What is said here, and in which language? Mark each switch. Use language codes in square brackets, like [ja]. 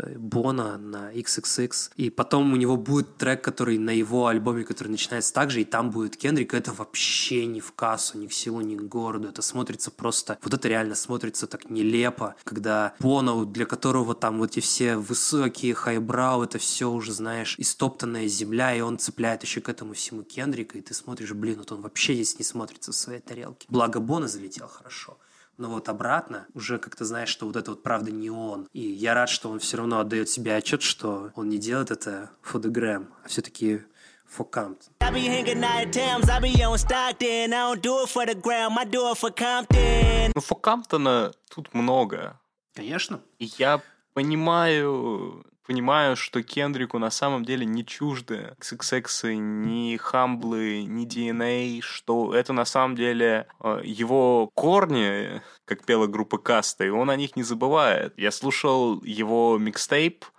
[ru] Бона на XXX, и потом у него будет трек, который на его альбоме, который начинается так же, и там будет Кендрик, это вообще ни в кассу, ни к силу, ни к городу, это смотрится просто, вот это реально смотрится так нелепо, когда Бона, для которого там вот эти все высокие хайбрау, это все уже, знаешь, истоптанная земля, и он цепляет еще к этому всему Кендрика, и ты смотришь, блин, вот он вообще здесь не смотрится в своей тарелке. Благо Бона залетел хорошо. Но вот обратно, уже как-то знаешь, что вот это вот правда не он. И я рад, что он все равно отдает себе отчет, что он не делает это [en] for the gram, [ru] а все-таки [en] for Compton. I be hanging out at Tams, I be on Stockton. I don't do it for the gram, I do it for Compton. [ru] Ну, for Compton'а тут много. Конечно. И я понимаю, что Кендрику на самом деле не чужды XXX, ни Хамблы, ни DNA, что это на самом деле его корни, как пела группа Каста, и он о них не забывает. Я слушал его микстейп